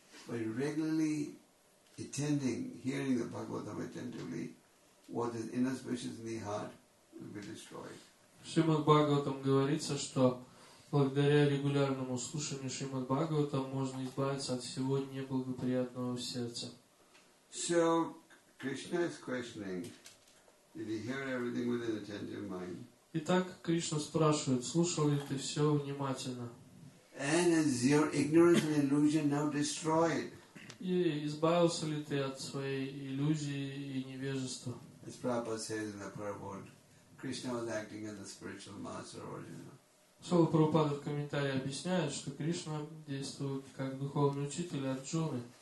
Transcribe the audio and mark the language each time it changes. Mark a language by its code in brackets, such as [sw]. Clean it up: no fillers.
[en] By regularly attending, hearing the Bhagavatam attentively, what is inauspicious in the heart will be destroyed. [ru] Шримад Бхагаватам говорится, что благодаря регулярному слушанию Шримад Бхагаватам можно избавиться от всего неблагоприятного в сердце. [en] So, Krishna is questioning, did he hear everything with an attentive mind? [ru] Итак, Кришна спрашивает, слушал ли ты все внимательно? [en] And is your ignorance and illusion now destroyed? [ru] И избавился ли ты от своей иллюзии и невежества? [en] As Prabhupada says in the Prabhupada, Krishna was acting as a spiritual master originally. [ru] Шрила Прабхупада в комментарии объясняет, что Кришна действует как духовный учитель Арджуны.